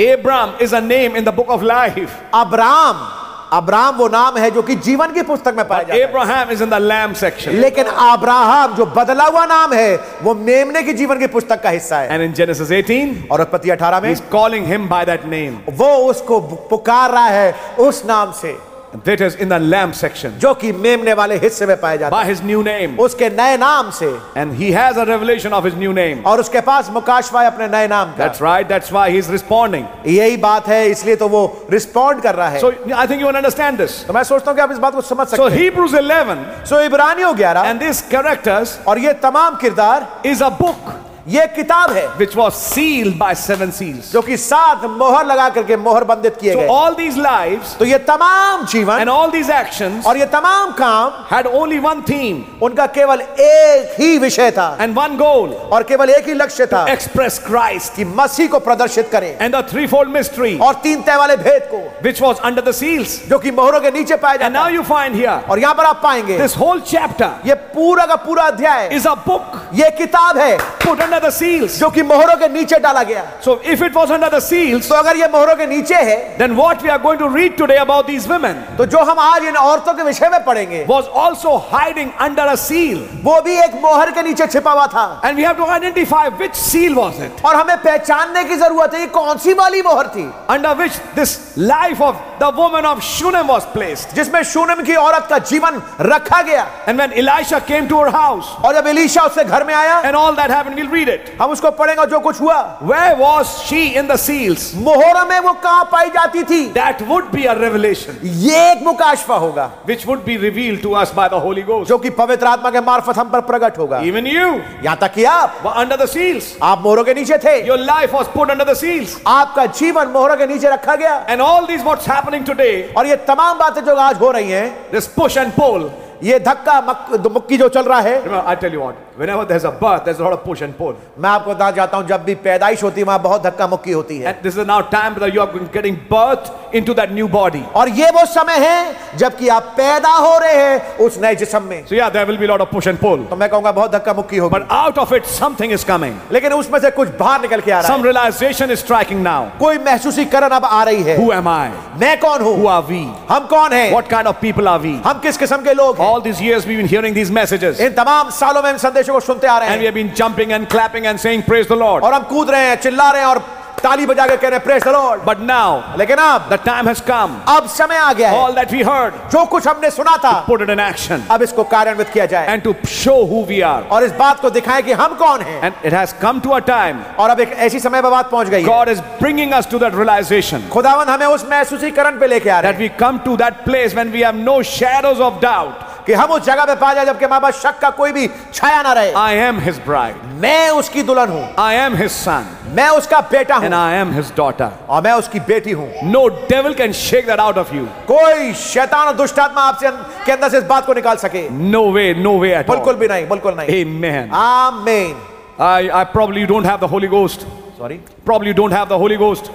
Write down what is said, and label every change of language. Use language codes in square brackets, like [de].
[en] Abraham is a name in the book of life. [hi] Abraham. Abraham वो नाम है जो कि जीवन की पुस्तक में पाया जाता है. [en] Abraham is in the lamb section. [hi] लेकिन अब्राहम जो बदला हुआ नाम है वो मेमने की जीवन की पुस्तक का हिस्सा है. [en] And in Genesis 18, [hi] और उत्पत्ति 18 में, [en] he's calling him by that name. [hi] वो उसको पुकार रहा है उस नाम से. [en] That is in the lamb section. [hi] जो कि मेमने वाले हिस्से में पाया जाता है. [en] By his new name. [hi] उसके नए नाम से. [en] And he has a revelation of his new name. [hi] और उसके पास मुकाशवा है अपने नए नाम का. [en] That's right. That's why he's responding. [hi] यही बात है. इसलिए तो वो respond कर रहा है. [en] So I think you will understand this. [hi] तो मैं सोचता हूँ कि आप इस बात को समझ सकते हैं. [en] So Hebrews 11. So [hi] इब्रानियों 11. [en] And these characters. [hi] और ये तमाम किरदार. [en] Is a book. [hi] ये किताब है. [en] Which was sealed by 7 seals. [hi] जो कि 7 मोहर लगा करके मोहर बंधित किए गए. [en] So all these lives. [hi] तो ये तमाम जीवन. [en] And all these actions. [hi] और ये तमाम काम. [en] Had only one theme. [hi] उनका केवल एक ही विषय था. [en] And one goal. [hi] और केवल एक ही लक्ष्य था. [en] To express Christ. [hi] कि मसीह को प्रदर्शित करें. [en] And the threefold mystery. [hi] और तीन तह वाले भेद को. [en] Which was under the seals. [hi] जो कि मोहरों के नीचे पाया जाता. [en] And now you find here. [hi] और यहाँ पर आप पाएंगे. [en] This whole chapter. [hi] ये पूरा का पूरा अध्याय. [en] Is a book. [hi] ये किताब है. [en] Put under the seals. [hi] जो कि मोहरों के नीचे डाला गया. [en] So if it was under the seals. [hi] तो अगर ये मोहरों के नीचे है. [en] Then what we are going to read today about these women. [hi] तो जो हम आज इन औरतों के विषय में पढ़ेंगे. [en] Was also hiding under a seal. [hi] वो भी एक मोहर के नीचे छिपा हुआ था. [en] And we have to identify which seal was it. [hi] और हमें पहचानने की जरूरत है ये कौन सी वाली मोहर थी. [en] Under which this life of the woman of Shunem was placed. [hi] जिसमें शूनम की औरत का जीवन रखा गया. [en] And when Elisha came to her house. [hi] और जब एलीशा उसके घर में आया [en] and all that happened we'll read it [hi] हम उसको पढ़ेंगे जो कुछ हुआ [en] where was she in the seals [hi] मोहर में वो कहां पाई जाती थी [en] that would be a revelation [hi] ये एक मुकाशफा होगा [en] which would be revealed to us by the holy ghost [hi] जो कि पवित्र आत्मा के मार्फत हम पर प्रकट होगा [en] even you [hi] यहां तक कि आप [en] were under the seals [hi] आप मोहरों के नीचे थे [en] your life was put under the seals [hi] आपका जीवन मोहरों के नीचे रखा गया [en] and all these what's happening today [hi] और ये तमाम बातें जो आज हो रही हैं [en] this push and pull [hi] ये धक्का मुक्की जो चल रहा है [en] Remember, I tell you what, whenever there's a birth, there's a lot of push and pull. [hi] मैं आपको बता जाता हूं जब भी पैदाइश होती है वहां बहुत धक्का मुक्की होती है [en] And this is now time that you are getting birth into that new body. [hi] और ये वो समय है जबकि आप पैदा हो रहे हैं उस नए जिस्म में [en] So yeah, there will be a lot of push and pull. [hi] तो मैं कहूंगा बहुत धक्का मुक्की होगी [en] But out of it something is coming. [hi] लेकिन उसमें से कुछ बाहर निकल के आ रहा है [en] Some realization is striking now. [hi] कोई महसूसीकरण अब आ रही है [en] Who am I? [hi] मैं कौन हूं? [en] Who are we? [hi] हम कौन हैं? [en] What kind of people are we? [hi] हम किस किस्म के लोग [en] All these years we've been hearing these messages. [hi] इन तमाम सालों में संदेशों को सुनते आ रहे हैं. [en] And we have been jumping and clapping and saying praise the Lord. [hi] और हम कूद रहे हैं, चिल्ला रहे हैं और ताली बजा के कह रहे हैं [en] praise the Lord. But now, [hi] लेकिन अब, [en] the time has come. [hi] अब समय आ गया है. [en] All that we heard, [hi] जो कुछ हमने सुना था, [en] put it in action. [hi] अब इसको कार्यान्वित किया जाए. [en] And to show who we are. [hi] और इस बात को दिखाएं कि हम कौन हैं. [en] And it has come to a time. [hi] और अब एक ऐसी समय पर बात पहुंच गई है. [en] God is bringing us to that realization. [hi] खुदावन हमें उस महसूसीकरण पे लेके आ रहे हैं. [en] That we come to that place when we have no shadows of doubt. [hi] कि हम उस जगह पे पा जाए जबकि हमारे पास शक का कोई भी छाया ना रहे [en] I am his bride. [hi] मैं उसकी दुल्हन हूं [en] I am his son. [hi] मैं उसका बेटा हूं [en] And I am his daughter. [hi] और मैं उसकी बेटी हूं [en] No devil can shake that out of you. [hi] कोई शैतान और दुष्टात्मा आपसे के अंदर से इस बात को निकाल सके [en] No way, no way at all. [hi] बिल्कुल भी नहीं बिल्कुल नहीं [en] Amen. Amen. I probably don't have the Holy Ghost. Sorry. Probably you don't have the Holy Ghost.